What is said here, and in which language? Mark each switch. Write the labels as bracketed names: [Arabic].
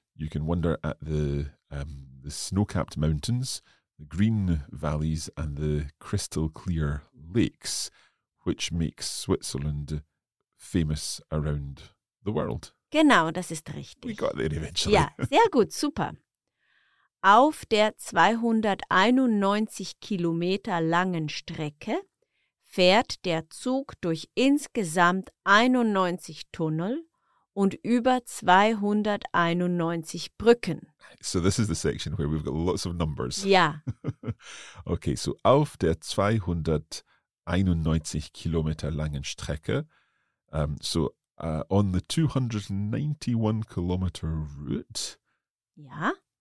[English] You can wonder at the snow-capped mountains, the green valleys, and the crystal clear lakes, which makes Switzerland famous around the world. [German] Genau, das ist richtig. [English] We got there eventually. [German] Ja, sehr gut, super. Auf der 291 Kilometer langen Strecke fährt der Zug durch insgesamt 91 Tunnel und über 291 Brücken. [English] So this is the section where we've got lots of numbers. [German] Ja. [English] Okay, so [German] auf der 291 Kilometer langen Strecke, [English] on the 291 kilometer route, [German] ja,